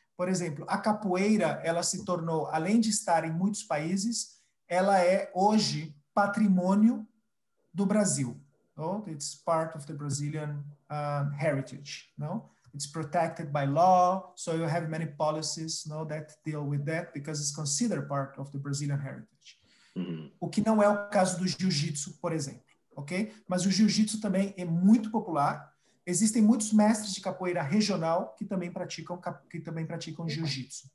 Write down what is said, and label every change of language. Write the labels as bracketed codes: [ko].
[pt] Por exemplo, a capoeira, ela se tornou, além de estar em muitos países, ela é hoje patrimônio do Brasil. [en] Oh, it's part of the Brazilian heritage. No? It's protected by law, so you have many policies, no, that deal with that, because it's considered part of the Brazilian heritage. [pt] O que não é o caso do jiu-jitsu, por exemplo. Okay? Mas o jiu-jitsu também é muito popular. Existem muitos mestres de capoeira regional que também praticam, jiu-jitsu.